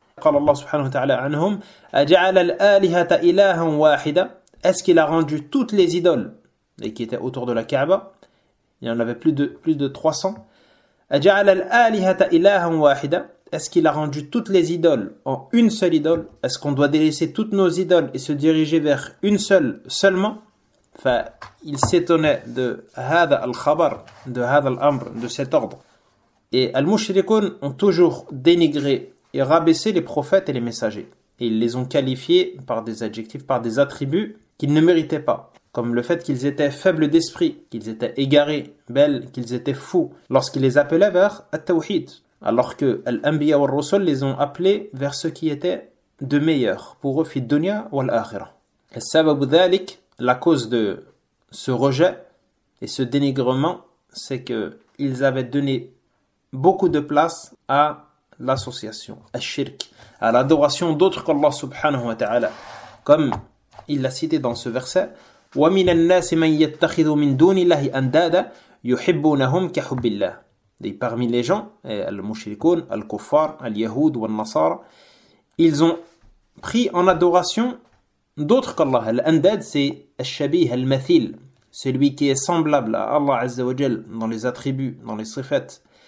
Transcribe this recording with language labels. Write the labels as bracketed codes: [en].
[ar] قال الله سبحانه وتعالى عنهم أجعل الآلهة إلها واحدة. [fr] Est-ce qu'il a rendu toutes les idoles qui étaient autour de la Kaaba? Il y en avait plus de 300. [ar] أجعل الآلهة إلها واحدة. [fr] Est-ce qu'il a rendu toutes les idoles en une seule idole? Est-ce qu'on doit délaisser toutes nos idoles et se diriger vers une seule seulement? Il s'étonnait de [ar] هذا الخبر, [fr] de [ar] هذا الأمر, [fr] de cet ordre. Et المشركون ont toujours dénigré et rabaisser les prophètes et les messagers. Et ils les ont qualifiés par des adjectifs, par des attributs qu'ils ne méritaient pas, comme le fait qu'ils étaient faibles d'esprit, qu'ils étaient égarés, belles, qu'ils étaient fous, lorsqu'ils les appelaient vers At-Tawhid, alors que [ar] Al-Anbiya wa Rasul [fr] les ont appelés vers ce qui était de meilleur, pour eux, [ar] fid-dunya wa al-akhira. [fr] Et [ar] sababu dhalik, [fr] la cause de ce rejet et ce dénigrement, c'est qu'ils avaient donné beaucoup de place à l'association, al-shirk, à l'adoration d'autres qu'Allah subhanahu wa ta'ala. Comme il l'a cité dans ce verset, [ar] وَمِنَ النَّاسِ مَنْ يَتَّخِذُ مِنْ دُونِ اللَّهِ أَنْدَادًا يُحِبُّونَهُمْ كَحُبِّ اللَّهِ. [fr] Et parmi les gens, [ar] al-mushrikun, al-kuffar, al-yahoud, al-nasara, [fr] ils ont pris en adoration d'autres qu'Allah. Al-andad, c'est [ar] al-shabih, al-mathil, [fr] celui qui est semblable à Allah azza wa jal dans les attributs, dans les sifats.